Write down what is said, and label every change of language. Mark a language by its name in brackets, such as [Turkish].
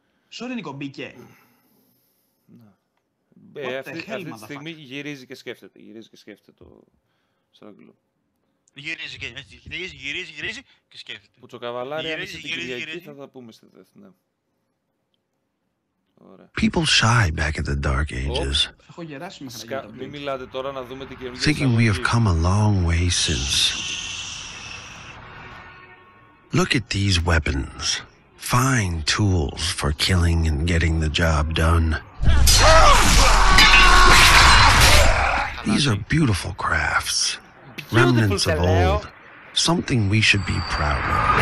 [Greek] Sorry Νίκο, μπήκε. Να. Αυτή τη στιγμή γυρίζει και σκέφτεται. Γυρίζει και σκέφτεται το στρογγυλό. Γυρίζει και σκέφτεται. Γυρίζει και σκέφτεται. Πουτσοκαβαλάρι, αν είσαι την Κυριακή, θα τα πούμε στη δεύτερη. Ναι. Ωραία. [English] People shy back at the dark ages. [Greek] Έχω γεράσει μέχρι να γίνει. Μην μιλάτε τώρα να δούμε την καινούργια. [English] Thinking we have come a long way since. Look at these weapons. Fine tools for killing and getting the job done. These are beautiful crafts, remnants of old, something we should be proud of.